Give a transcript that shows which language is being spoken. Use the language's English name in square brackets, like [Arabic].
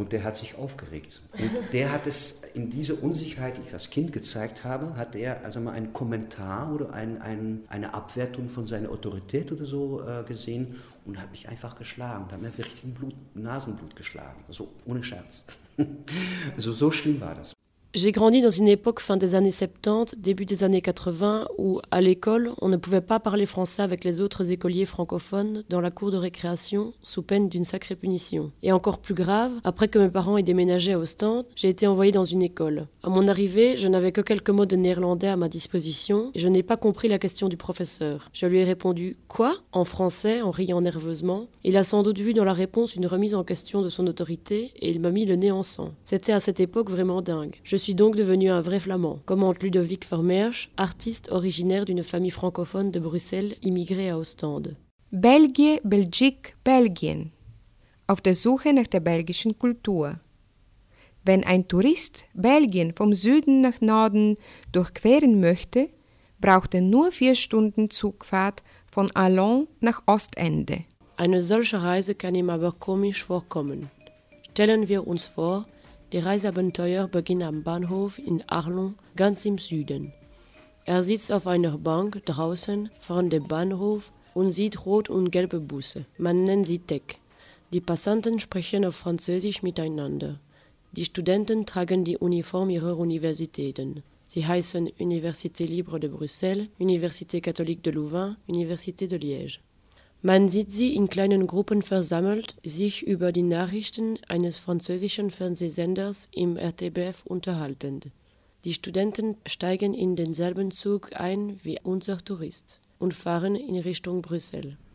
[German] Und der hat sich aufgeregt. Und der hat es in diese Unsicherheit, die ich als Kind gezeigt habe, hat er also mal einen Kommentar oder eine Abwertung von seiner Autorität oder so gesehen und hat mich einfach geschlagen. Da hat mir richtig Nasenblut geschlagen. Also ohne Scherz. So schlimm war das. [French] J'ai grandi dans une époque fin des années 70, début des années 80, où, à l'école, on ne pouvait pas parler français avec les autres écoliers francophones dans la cour de récréation, sous peine d'une sacrée punition. Et encore plus grave, après que mes parents aient déménagé à Ostende, j'ai été envoyée dans une école. À mon arrivée, je n'avais que quelques mots de néerlandais à ma disposition, et je n'ai pas compris la question du professeur. Je lui ai répondu « Quoi ?» en français, en riant nerveusement. Il a sans doute vu dans la réponse une remise en question de son autorité, et il m'a mis le nez en sang. C'était à cette époque vraiment dingue. Je suis donc devenu un vrai flamand, commente Ludovic Vermeersch, artiste originaire d'une famille francophone de Bruxelles, immigrée à Ostende. [German] Belgien, Belgique, Belgien. Auf der Suche nach der belgischen Kultur. Wenn ein Tourist Belgien vom Süden nach Norden durchqueren möchte, braucht er nur 4 Stunden Zugfahrt von Allon nach Ostende. Eine solche Reise kann ihm aber komisch vorkommen. Stellen wir uns vor, die Reiseabenteuer beginnen am Bahnhof in Arlon, ganz im Süden. Er sitzt auf einer Bank draußen vorn dem Bahnhof und sieht rot und gelbe Busse. Man nennt sie TEC. Die Passanten sprechen auf Französisch miteinander. Die Studenten tragen die Uniform ihrer Universitäten. Sie heißen Université Libre de Bruxelles, Université Catholique de Louvain, Université de Liège. Man sieht sie in kleinen Gruppen versammelt, sich über die Nachrichten eines französischen Fernsehsenders im RTBF unterhaltend. Die Studenten steigen in denselben Zug ein wie unser Tourist und fahren in Richtung Brüssel.